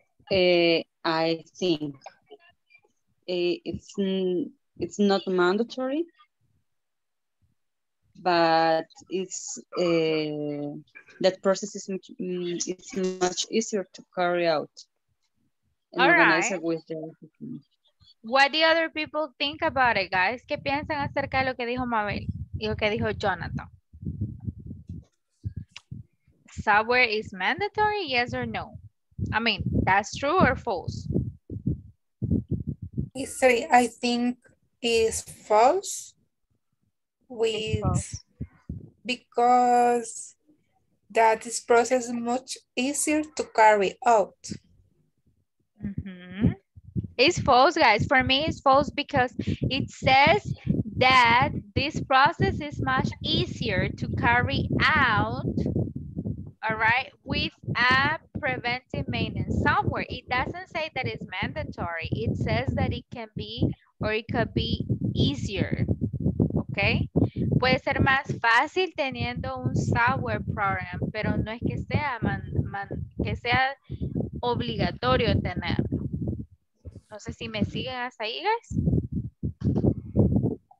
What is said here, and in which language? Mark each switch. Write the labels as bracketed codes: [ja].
[en] I think it's not mandatory. But it's that process is much easier to carry out. And all right. With the... What do other people think about it, guys? [es] ¿Qué piensan acerca de lo que dijo Mabel y lo que dijo Jonathan? [en] Software is mandatory, yes or no? I mean, that's true or false? Sorry, I think is false with false. Because that this process is much easier to carry out. Mm-hmm. It's false, guys. For me, it's false because it says that this process is much easier to carry out, all right, with a preventive maintenance software. It doesn't say that it's mandatory. It says that it can be, or it could be easier, okay? [es] Puede ser más fácil teniendo un software program, pero no es que sea, que sea obligatorio tenerlo. No sé si me siguen hasta ahí, guys.